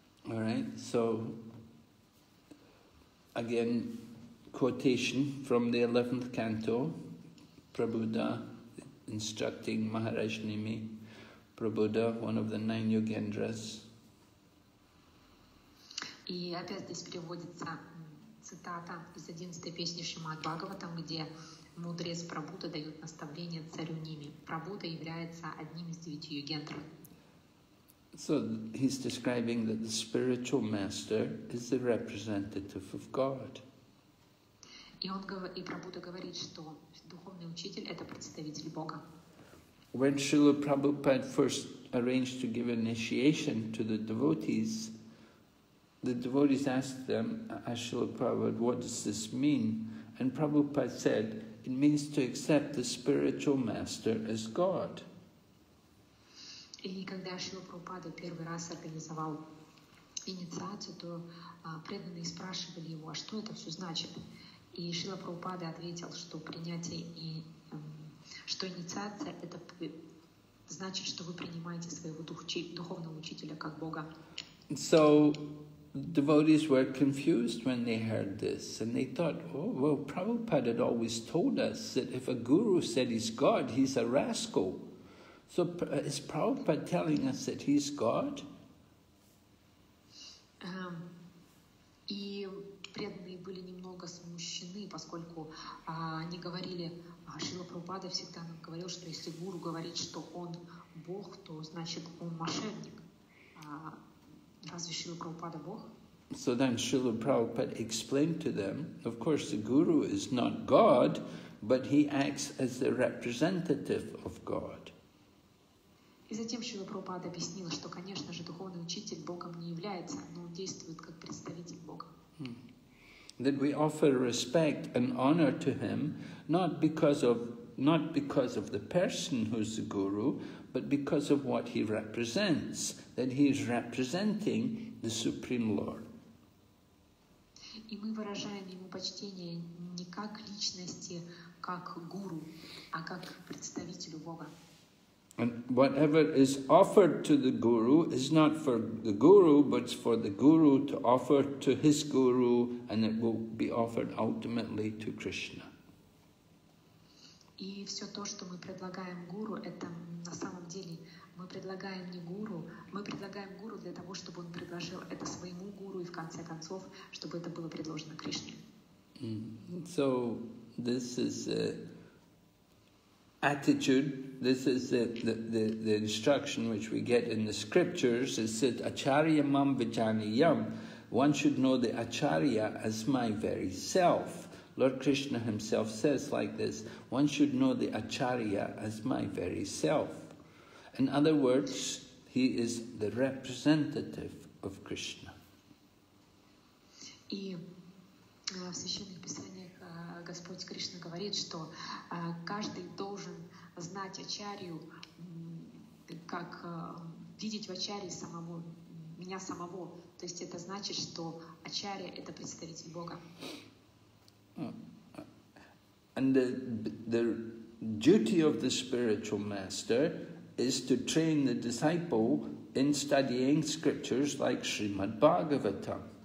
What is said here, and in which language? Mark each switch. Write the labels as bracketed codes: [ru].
[en] All right, so again, quotation from the 11th canto, Prabuddha instructing Maharaj Nimi, Prabuddha, one of the nine Yogendras. [ru] И опять здесь переводится цитата из 11-й песни Шримад Бхагаватам, где мудрец Прабуддха дает наставление царю Ними. Прабуддха является одним из девяти Йогендр. [en] So he's describing that the spiritual master is the representative of God. [ru] И Прабуддха говорит, что духовный учитель – это представитель Бога. [en] When Srila Prabhupada first arranged to give initiation to the devotees asked them, as Srila Prabhupada, what does this mean? And Prabhupada said, it means to accept the spiritual master as God. [ru] И когда Шрила Прабхупада первый раз организовал инициацию, то преданные спрашивали его, а что это все значит? И Шрила Прабхупада ответил, что принятие и что инициация это значит, что вы принимаете своего духовного учителя как Бога. [en] So devotees were confused when they heard this, and they thought, oh, well, Prabhupada had always told us that if a guru said he's God, he's a rascal. So is Prabhupada telling us that he's God? [ru] И преданные были немного смущены, поскольку они говорили, Шрила Прабхупада всегда нам говорил, что если гуру говорит, что он Бог, то значит он мошенник. разве Шрила Прабхупада Бог? [en] So then Srila Prabhupada explained to them, of course the Guru is not God, but he acts as the representative of God. [ru] И затем Шрила Прабхупада объяснила, что, конечно же, духовный учитель Богом не является, но он действует как представитель Бога. [en] That we offer respect and honor to him, not because of the person who's the Guru, but because of what he represents, that he is representing the Supreme Lord. [ru] И мы выражаем ему почтение не как личности, как гуру, а как представителю Бога. [en] And whatever is offered to the guru is not for the guru, but it's for the guru to offer to his guru, and it will be offered ultimately to Krishna. [ru] И все то, что мы предлагаем гуру, это на самом деле мы предлагаем не гуру, мы предлагаем гуру для того, чтобы он предложил это своему гуру, и в конце концов, чтобы это было предложено Кришне. [en] So this is the attitude, this is the instruction which we get in the scriptures. It said, [sa] "Acharya mam vijaniyam." [en] One should know the acharya as my very self. Lord Krishna himself says like this: one should know the acharya as my very self. In other words, he is the representative of Krishna. [ru] И в священных писаниях Господь Кришна говорит, что каждый должен знать ачарью, как видеть в ачарье самого меня самого. То есть это значит, что ачарья это представитель Бога. [en] And the duty of the spiritual master is to train the disciple in studying scriptures like Srimad Bhagavatam.